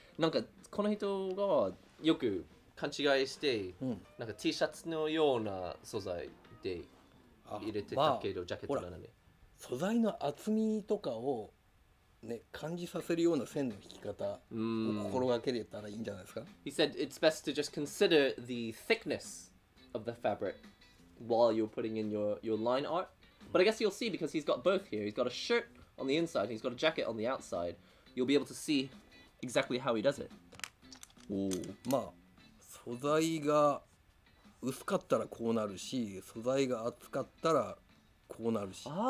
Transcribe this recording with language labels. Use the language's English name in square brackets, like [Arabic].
[Japanese] なんかこの人がよく勘違いして、なんか T シャツのような素材で入れてたけど、ジャケットなのに。素材の厚みとかをね、感じさせるような線の引き方を心がけれたらいいんじゃないですか。 [English] He said it's best to just consider the thickness of the fabric while you're putting in your line art. But I guess you'll see because he's got both here. He's got a shirt on the inside and he's got a jacket on the outside. You'll be able to see exactly how he does it. [Japanese] Oh, まあ、素材が薄かったらこうなるし、素材が厚かったらこうなるし。